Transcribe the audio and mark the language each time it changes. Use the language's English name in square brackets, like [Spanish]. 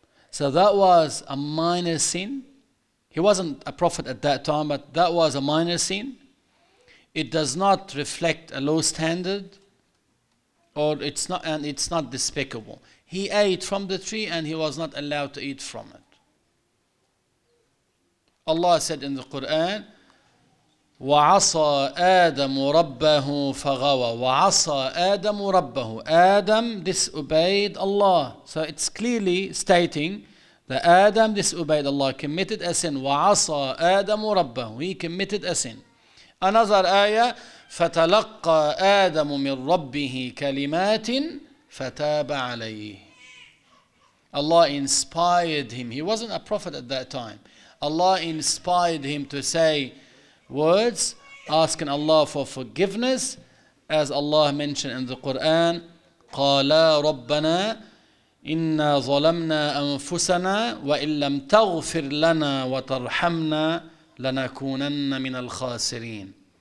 [English] So that was a minor sin. He wasn't a prophet at that time, but that was a minor sin. It does not reflect a low standard, it's not despicable. He ate from the tree and he was not allowed to eat from it. Allah said in the Quran, [Arabic] وَعَصَى آدَمُ رَبَّهُ فَغَوَى وَعَصَى آدَمُ رَبَّهُ. [English] Adam disobeyed Allah. So it's clearly stating that Adam disobeyed Allah, committed a sin. [Arabic] وَعَصَى آدَمُ رَبَّهُ. [English] He committed a sin. Another ayah, [Arabic] فَتَلَقَّى آدَمُ مِنْ رَبِّهِ كَلِمَاتٍ فَتَابَ عَلَيْهِ. [English] Allah inspired him. He wasn't a prophet at that time. Allah inspired him to say words, asking Allah for forgiveness, as Allah mentioned in the Quran, [Arabic] قَالَا رَبَّنَا إِنَّا ظَلَمْنَا أَنفُسَنَا وَإِن لَمْ تَغْفِرْ لَنَا وَتَرْحَمْنَا لَنَكُونَنَّ مِنَ الْخَاسِرِينَ.